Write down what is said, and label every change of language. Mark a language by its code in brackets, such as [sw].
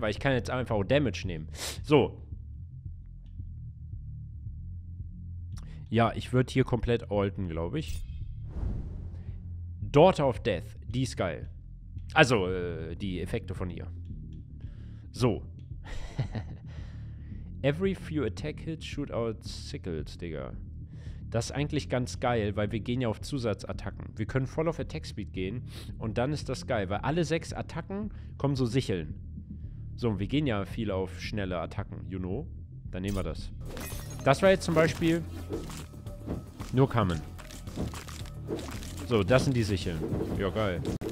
[de] Weil ich kann jetzt einfach auch Damage nehmen. So. Ja, ich würde hier komplett alten, glaube ich. Daughter of Death, die ist geil. Also, die Effekte von ihr. So. [en] Every few attack hits, shoot out sickles, Digga. [de] Das ist eigentlich ganz geil, weil wir gehen ja auf Zusatzattacken. Wir können voll auf Attack Speed gehen und dann ist das geil, weil alle 6 Attacken kommen so Sicheln. So, wir gehen ja viel auf schnelle Attacken, [en] you know? [de] Dann nehmen wir das. Das war jetzt zum Beispiel nur Kamen. So, das sind die Sicheln. Ja, geil.